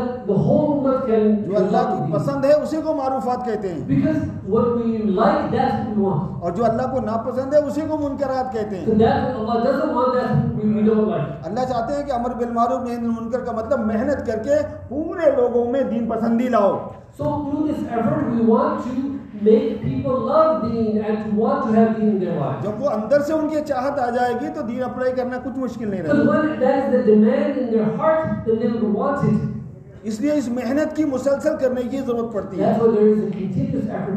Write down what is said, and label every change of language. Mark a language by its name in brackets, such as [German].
[Urdu] جو اللہ کی پسند ہے اسی کو معروفات کہتے ہیں, اور جو اللہ کو ناپسند ہے اسی کو منکرات کہتے ہیں. اللہ چاہتے ہیں کہ امر بالمعروف نہی عن المنکر کا مطلب محنت کر کے پورے لوگوں میں دین پسندی لاؤ. [English] So through this effort we want to make people love deen and to want to have deen in their lives. [Urdu] جب وہ اندر سے ان کی چاہت آ جائے گی تو دین اپلائی کرنا کچھ مشکل نہیں رہے. [English] Because when it has the demand in their heart, then they will want it. [Urdu] اس لیے اس محنت کی مسلسل کرنے کی ضرورت پڑتی ہے.